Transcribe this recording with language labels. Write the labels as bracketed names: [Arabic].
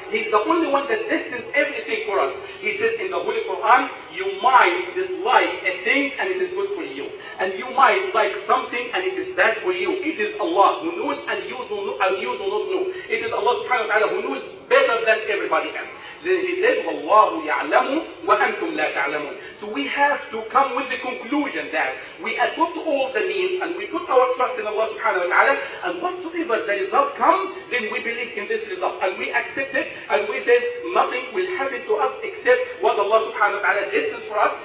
[English] He's the only one that destines everything for us. He says in the Holy Quran, you might dislike a thing and it is good for you. And you might like something and it is bad for you. It is Allah who knows and you do not know, and you do not know. It is Allah subhanahu wa ta'ala who knows better than everybody else. Then he says, [Arabic] وَاللَّهُ يَعْلَمُ وَأَنْتُمْ لَا تَعْلَمُونَ. [English] So we have to come with the conclusion that we adopt all the means and we put our trust in Allah subhanahu wa ta'ala, and whatsoever the result comes, then we believe in this result. And we accept it and we say, nothing will happen to us except what Allah subhanahu wa ta'ala destines for us.